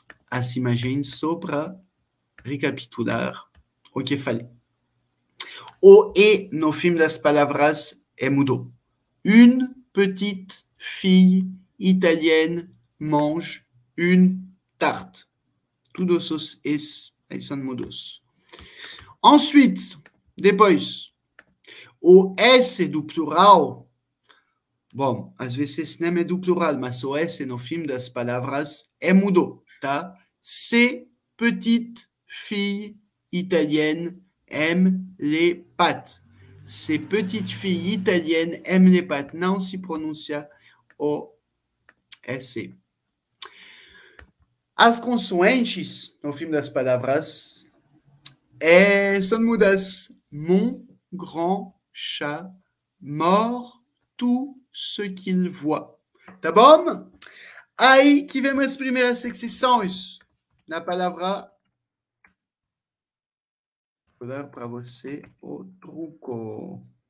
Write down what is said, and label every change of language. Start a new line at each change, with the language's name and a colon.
Portuguese: As imagens só para recapitular o que falei. O E no fim das palavras Emudo.
French: Une petite fille italienne mange une tarte.
Portuguese: Todos os es modos. Ensuite, depois, o S do plural. Bom, às vezes nem é do plural, mas o S no fim das palavras é mudo, tá?
French: C, petite fille italienne aime les pâtes. C'est petite fille italienne aime les pâtes.
Portuguese: Não se pronuncia o S. As consoantes no fim das palavras são mudas.
French: Mon grand chat mord tout ce qu'il voit.
Portuguese: Tá bom? Aí que vem as primeiras exceções na palavra. Vou dar para você o truco.